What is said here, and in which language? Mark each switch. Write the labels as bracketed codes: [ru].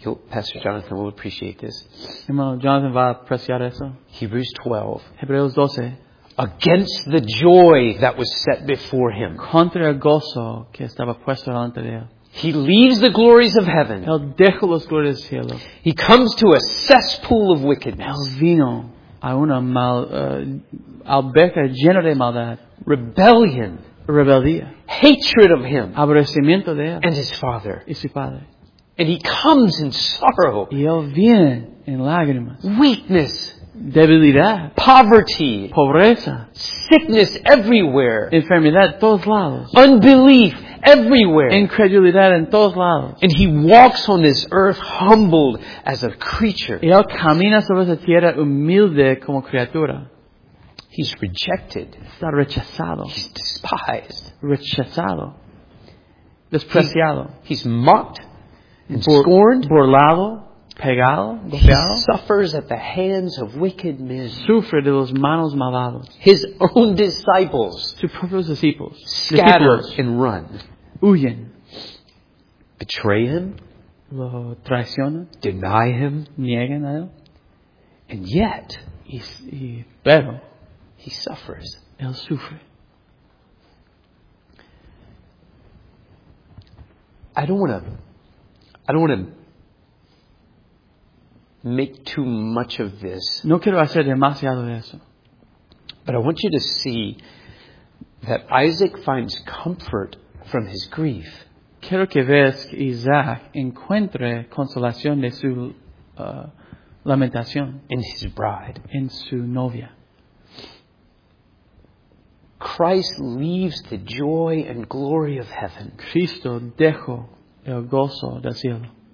[en] Pastor Jonathan will appreciate this. [es] Hermano Jonathan va a apreciar eso. [en] Hebrews 12. [es] Hebreos 12. [en] Against the joy that was set before him. [es] Contra el gozo que estaba puesto delante de él. [en] He leaves the glories of heaven. [es] Él dejó las glorias del cielo. [en] He comes to a cesspool of wickedness. [es] Él vino a una alberca llena de maldad. [en] Rebellion. [es] Rebellia. [en] Hatred of him. [es] Aborrecimiento de él. [en] And his father. [es] Y su padre. [en] And he comes in sorrow. [es] Y él viene en lágrimas. [en] Weakness. [es] Debilidad. [en] Poverty. [es] Pobreza. [en] Sickness everywhere. [es] Enfermedad en todos lados. [en] Unbelief everywhere. [es] Incredulidad en todos lados. [en] And he walks on this earth humbled as a creature. [es] Y él camina sobre esa tierra humilde como criatura. [en] He's rejected. [es] Está rechazado. [en] He's despised. [es] Rechazado. Despreciado. [en] He's mocked and scorned. [es] Burlado. Pegado. Golpeado. [en] He suffers at the hands of wicked men. [es] Sufre de los manos malvados. [en] His own disciples. [es] Sus propios discípulos. [en] Scatter and run. [es] Huyen. [en] Betray him. [es] Lo traicionan. [en] Deny him. [es] Niegan a él. [en] And yet. [es] Y pero. [en] He suffers. [es] Él sufre. [en] I don't want to make too much of this. [es] No quiero hacer demasiado de eso. [en] But I want you to see that Isaac finds comfort from his grief. [es] Quiero que veas que Isaac encuentre consolación de su lamentación. [en] In his bride. [es] En su novia. [en] Christ leaves the joy and glory of heaven. [es] Cristo dejó el gozo del cielo.